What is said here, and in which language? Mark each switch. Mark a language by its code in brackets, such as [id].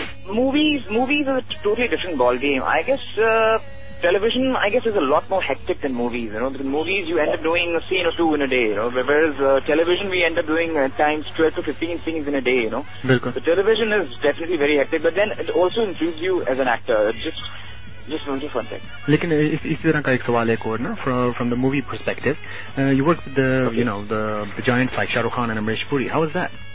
[en] Movies are a totally different ball game. I guess television, I guess, is a lot more hectic than movies, you know, because movies you end up doing a scene or two in a day, you know, whereas television we end up doing at times 12 to 15 scenes in a day, you know. [hi] Bilkul. [en] So television is definitely very hectic, but then it also improves you as an actor. Just one second. [hi] लेकिन, इसी तरह का एक सवाल है [en] from the movie perspective. You worked with the giants like Shah Rukh Khan and Amrish Puri. How was that?